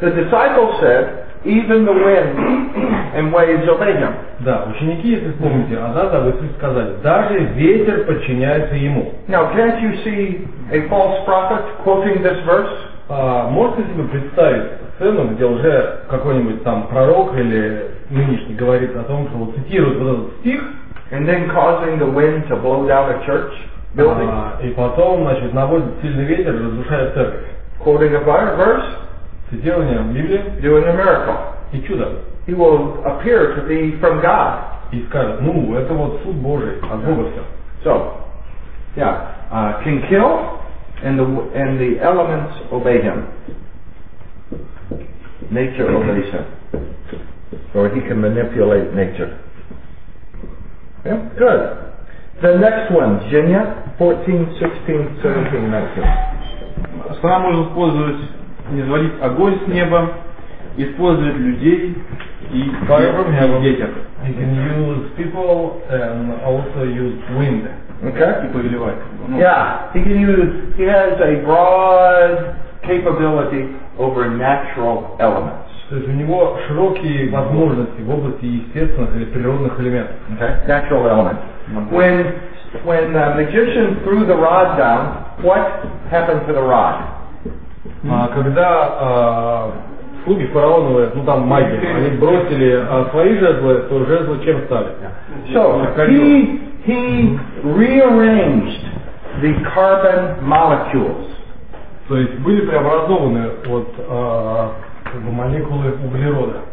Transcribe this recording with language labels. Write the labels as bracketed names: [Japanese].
[English] The disciples said, even the wind and waves obey him. [Russian] Да, ученики, если помните, Азаза в Иисусе сказали, даже ветер подчиняется ему. [English] Now, can't you see a false prophet quoting this verse? [Russian] Можете себе представить сцену, где уже какой-нибудь там пророк или нынешний говорит о том, что вот цитирует вот этот стих? [English] And then causing the wind to blow down a church? Building. [Russian] И потом, значит, наводит сильный ветер, разрушает церковь. [English] Quoting a verse. [Russian] Цитированием Библии. [English] Doing a miracle. [Russian] И чудо. [English] He will appear to be from God. [Russian] И скажет, ну, это вот суд Божий, от Бога все. [English] So, yeah, can kill, and the elements obey him. Nature obeys him. Or he can manipulate nature. Yeah, good. The next one, Genia, 14, 16, 17, 19. [Russian] Сатана может использовать, не звалить огонь с неба, использовать людей и ветер. [English] He can use people and also use wind. Okay. [Russian] И повелевать. [English] Yeah, he has a broad capability over natural elements. [Russian] То есть у него широкие возможности в области естественных или природных элементов. [English] Okay. Natural elements. Mm-hmm. When the magician threw the rod down, what happened to the rod? [Russian] Когда слуги фараоновые, ну там маги, они бросили свои жезлы, то жезлы чем стали? [English] So he rearranged the carbon molecules. [Russian] То есть были преобразованы вот молекулы углерода.